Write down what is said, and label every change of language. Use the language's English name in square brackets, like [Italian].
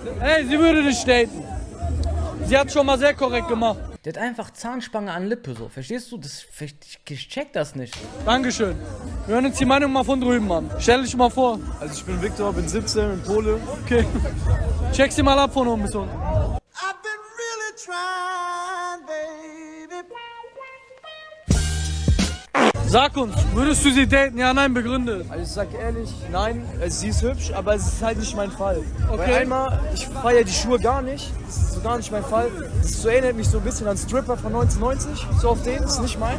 [German] Ey, sie würde dich daten. Sie hat schon mal sehr korrekt gemacht. Der hat einfach Zahnspange an Lippe, so. Verstehst du? Ich check das nicht. Dankeschön. Wir hören uns die Meinung mal von drüben, Mann. Stell dich mal vor. Also ich bin Victor, bin 17, in Pole. Okay. Check sie mal ab von oben bis unten. [English] I've been really trying, baby. [German] Sag uns, würdest du sie daten? Ja, nein, begründe. Also ich sag ehrlich, nein, sie ist hübsch, aber es ist halt nicht mein Fall. Okay. Weil einmal, ich feiere die Schuhe gar nicht. Das ist so gar nicht mein Fall. Das so erinnert mich so ein bisschen an Stripper von 1990. So auf den, das ist nicht mein.